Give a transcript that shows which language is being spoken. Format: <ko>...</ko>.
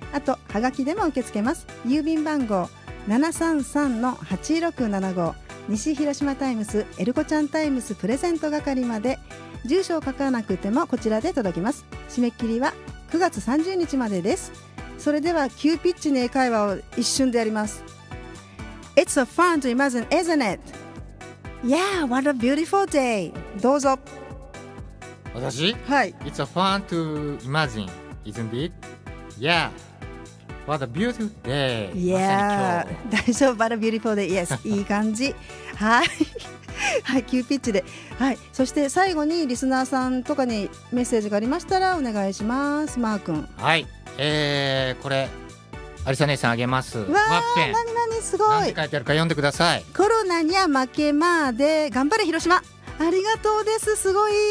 <ja>あとはがきでも受け付けます。郵便番号 733-8675 西広島タイムスエルコちゃんタイムスプレゼント係まで、住所を書かなくてもこちらで届きます。締め切りは9月30日までです。それでは急ピッチに英会話を一瞬でやります。</ja> <en>It's a fun to imagine, isn't it? Yeah, what a beautiful day.</en> <ja>どうぞ。私、はい、</ja> <en>It's a fun to imagine, isn't it? Yeah, what a beautiful day. Yeah,</en> <ja>大丈夫、</ja> <en>what a beautiful day.</en> <ja>Yes, いい感じ。はい、はい、急ピッチで、はい、そして最後にリスナーさんとかにメッセージがありましたらお願いします、マー君。はい、これ、アリサ姉さんあげます。わー、何々すごい。何書いてあるか読んでください。コロナには負けまーで、頑張れ広島。ありがとうです、すごい。</ja>